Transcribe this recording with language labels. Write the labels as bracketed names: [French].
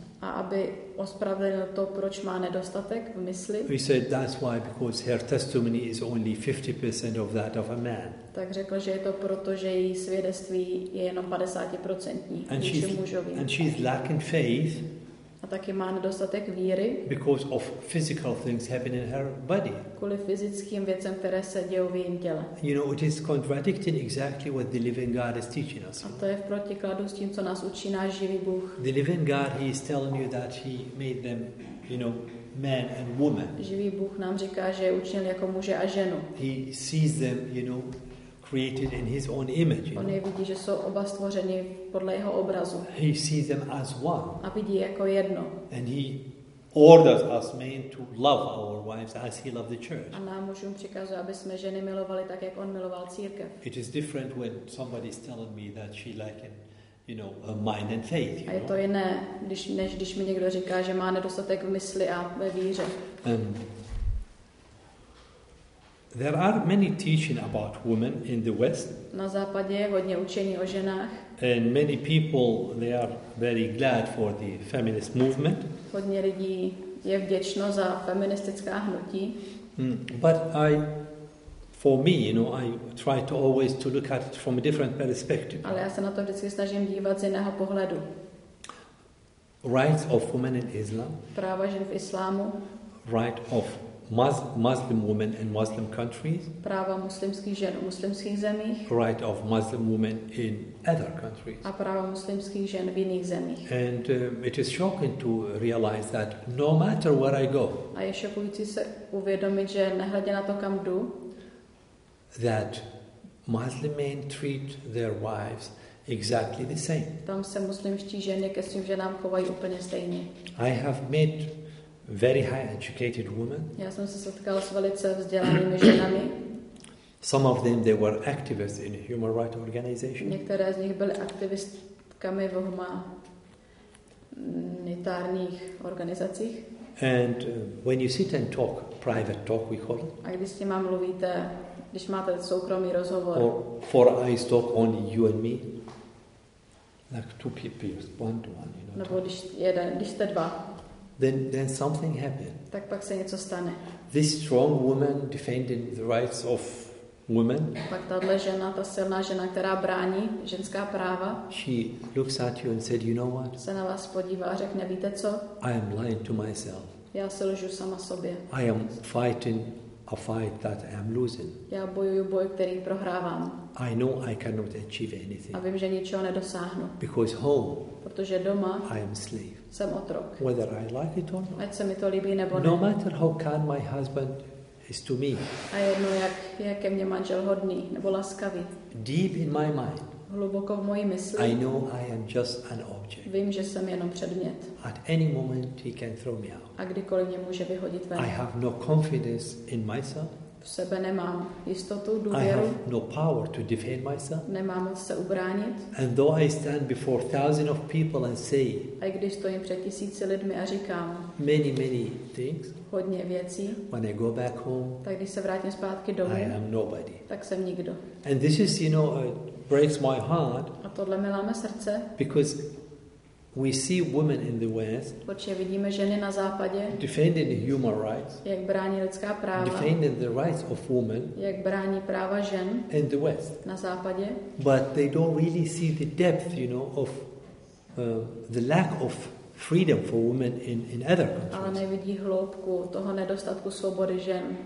[Czech] a aby ospravedlnil to, proč má nedostatek v mysli. [English] He said that's why, because her testimony is only 50% of that of a man. [Czech] Tak řekl, že je to proto, že její svědectví je jenom 50% vůči mužovi. [English] And she's lacking faith. [Czech] A taky má nedostatek víry. [English] Because of physical things happening in her body. [Czech] Kvůli fyzickým věcem, které se dějí v jejím těle. [English] You know, it is contradicting exactly what the living God is teaching us. [Czech] A to je v protikladu s tím, co nás učí náš živý Bůh. [English] The living God, he is telling you that he made them, you know, man and woman. [Czech] Živý Bůh nám říká, že je učinil jako muže a ženu. [English] He sees them, you know, created in his own image. [Czech] On je vidí, že jsou oba stvořeni podle jeho obrazu. [English] He sees them as one. [Czech] A vidí jako jedno. [English] And he orders us men to love our wives as he loved the church. [Czech] A nám mužům přikazuje, aby jsme ženy milovali tak, jak on miloval církev. [English] It is different when somebody is telling me that she lacking, you know, a mind and faith. [Czech] A je to jiné, než když mi někdo říká, že má nedostatek v mysli a ve víře. [English] There are many teaching about women in the West. [Czech] Na západě je hodně učení o ženách. [English] And many people, they are very glad for the feminist movement. [Czech] Hodně lidí je vděčno za feministická hnutí. [English] But I, for me, you know, I try to always to look at it from a different perspective. [Czech] Ale já se na to vždycky snažím dívat z jiného pohledu. [English] Rights of women in Islam. [Czech] Práva žen v islámu. [English] Right of Muslim women in Muslim countries. [Czech] Práva muslimských žen v muslimských zemích. [English] Right of Muslim women in other countries. [Czech] A práva muslimských žen v jiných zemích. [English] And it is shocking to realize that no matter where I go. [Czech] A je šokující se uvědomit, že nehledě na to, kam jdu, [English] that Muslim men treat their wives exactly the same. [Czech] Tam se muslimští ženy ke svým ženám chovají úplně stejně. [English] I have met very high educated women. [Czech] Já jsem se setkal s velice vzdělanými ženami. [English] Some of them, they were activists in human rights organizations. [Czech] Některé z nich byly aktivistkami v humanitárních organizacích. [English] And when you sit and talk, private talk we call it. [Czech] A když s nima mluvíte, když máte soukromý rozhovor. [English] Or four eyes talk only you and me. Like two people, one to one. You know, [Czech] nebo talk. Když jste dva. [English] Then something happened. [Czech] Tak pak se něco stane. [English] This strong woman defending the rights of women. [Czech] Pak tahle žena, ta silná žena, která brání ženská práva. [English] She looks at you and said, you know what? [Czech] Se na vás podívá a řekne, víte co? [English] I am lying to myself. [Czech] Já se lžu sama sobě. [English] I am fighting a fight that I am losing. [Czech] Já bojuju boj, který prohrávám. [English] I know I cannot achieve anything. [Czech] A vím, že ničeho nedosáhnu. [English] Because home. [Czech] Protože doma. [English] I am slave. [Czech] Jsem otrok. [English] Whether I like it or not. [Czech] Ať se mi to líbí nebo ne. [English] No matter how kind my husband is to me. [Czech] A jedno jak je ke mně manžel hodný nebo laskavý. [English] Deep in my mind. [Czech] Hluboko v mojí mysli. [English] I know I am just an object. [Czech] Vím, že jsem jenom předmět. [English] At any moment he can throw me out. [Czech] A kdykoliv mě může vyhodit ven. [English] I have no confidence in myself. [Czech] V sebe nemám jistotu, důvěru. [English] I have no power to defend myself. [Czech] Nemám moc se ubránit. [English] And though I stand before thousands of people and say. [Czech] A když stojím před tisíci lidmi a říkám. [English] Many, many things. [Czech] Hodně věcí. [English] When I go back home. [Czech] Tak když se vrátím zpátky domů. [English] I am nobody. [Czech] Tak jsem nikdo. [English] And this is, you know, breaks my heart. [Czech] A tohle mi láme srdce. [English] Because we see women in the West. [Czech] Protože vidíme ženy na západě. [English] Defending human rights. [Czech] Jak brání lidská práva. [English] Defending the rights of women. [Czech] Jak brání práva žen. [English] In the West. [Czech] Na západě. [English] But they don't really see the depth, you know, of the lack of freedom for women in other countries. [Czech] Ale nevidí hloubku toho nedostatku svobody žen.